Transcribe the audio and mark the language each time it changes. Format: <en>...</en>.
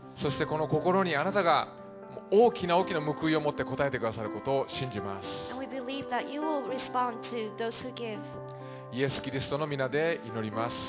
<ja>そしてこの心にあなたが大きな大きな報いを持って答えてくださることを信じます。</ja> <en>And we believe that you will respond to those who give.</en> <ja>イエス・キリストの名で祈ります。</ja>